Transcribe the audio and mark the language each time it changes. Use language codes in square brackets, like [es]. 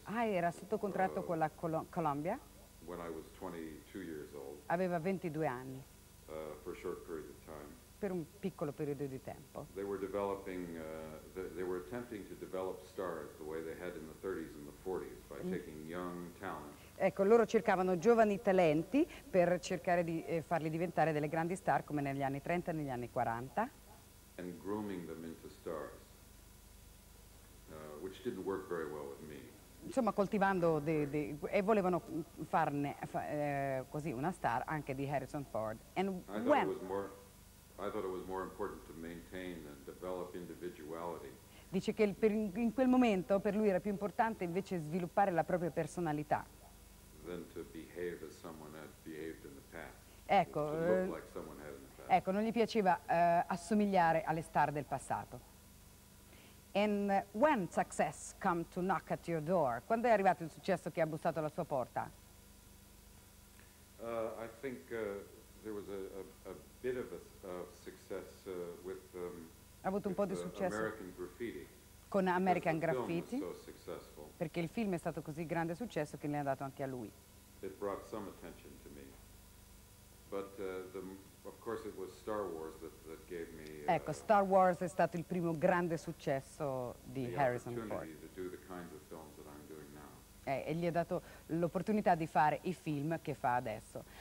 [it] Ah, era sotto contratto con la Columbia. [en] When I was 22 years old. [it] Aveva 22 anni. [en] For a short period of time. [it] Per un piccolo periodo di tempo. [en] They were developing, they were attempting to develop stars the way they had in the 30s and the 40s by taking young talent. [it] Ecco, loro cercavano giovani talenti per cercare di farli diventare delle grandi star come negli anni 30 e negli anni 40. [en] And grooming them into stars, which didn't work very well with me. [it] Insomma, coltivando e volevano farne così una star anche di Harrison Ford. [en] And I thought it was more important to maintain and develop individuality. [it] Dice che in quel momento per lui era più importante invece sviluppare la propria personalità. [en] Than to behave as someone had behaved in the past. [it] Ecco, [en] to look like someone had in the past. [it] Ecco, non gli piaceva assomigliare alle star del passato. [en] And when success come to knock at your door? [it] Quando è arrivato il successo che ha bussato alla sua porta? [en] I think there was a bit of a success with [it] ha avuto un po' di successo [en] American Graffiti. [it] Con American Graffiti, [en] so [it] perché il film è stato così grande successo che ne ha dato anche a lui. [en] It brought some attention to me. But of course it was Star Wars that gave me [it] ecco, Star Wars è stato il primo grande successo di Harrison Ford. [en] To do the kinds of films that I'm doing now. [it] E gli ha dato l'opportunità di fare i film che fa adesso.